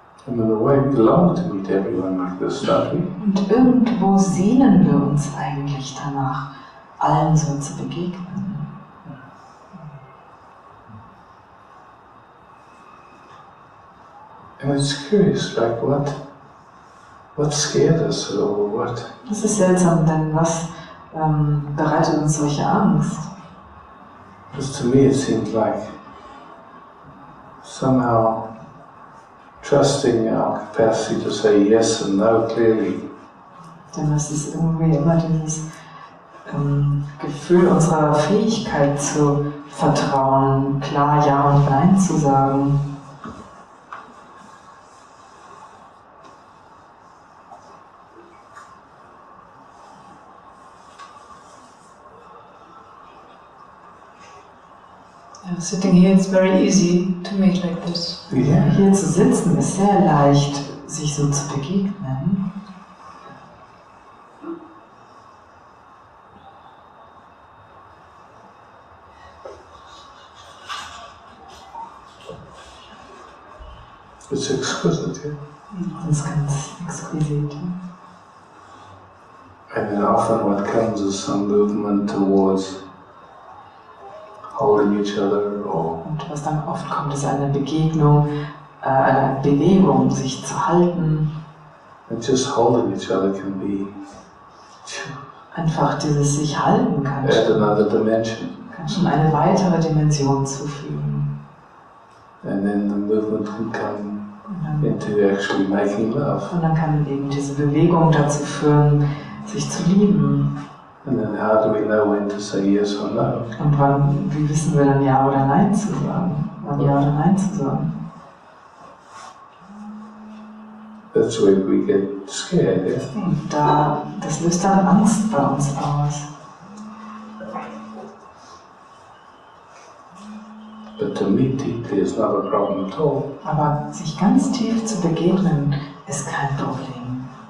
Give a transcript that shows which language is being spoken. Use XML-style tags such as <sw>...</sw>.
<en>Long to meet everyone like this, don't we?</en> <de>Und irgendwo sehnen wir uns eigentlich danach, allen so zu begegnen.</de> <en>And it's curious, like what scared us or what?</en> <de>Das ist seltsam, denn was bereitet uns solche Angst?</de> <en>Because to me it seemed like somehow trusting our capacity to say yes and no clearly.</en> <de>Denn es ist irgendwie immer dieses Gefühl unserer Fähigkeit zu vertrauen, klar Ja und Nein zu sagen.</de> <en>Sitting here, it's very easy to meet like this. Yeah.</en> <de>Hier zu sitzen ist sehr leicht, sich so zu begegnen.</de> <en>It's exquisite, yeah.</en> <de>Das ist ganz exquisite.</de> <en>And then often what comes is some movement towards holding each other or.</en> <de>Und was dann oft kommt, ist eine Begegnung, eine Bewegung, sich zu halten.</de> <en>And just holding each other can be.</en> <de>Einfach dieses sich halten kann.</de> <en>Add another dimension.</en> <de>Kann schon eine weitere Dimension zufügen.</de> <en>And then the movement can come into actually making love.</en> <de>Und dann kann eben diese Bewegung dazu führen, sich zu lieben.</de> <en>And then how do we know when to say yes or no?</en> <de>Und wann, wie wissen wir dann Ja oder Nein zu sagen? Wann Ja oder Nein zu sagen?</de> <en>That's when we get scared, yeah?</en> <de>Und da, das löst dann Angst bei uns aus.</de> <en>But to meet deeply is not a problem at all.</en> <de>Aber sich ganz tief zu begegnen, ist kein Problem.</de>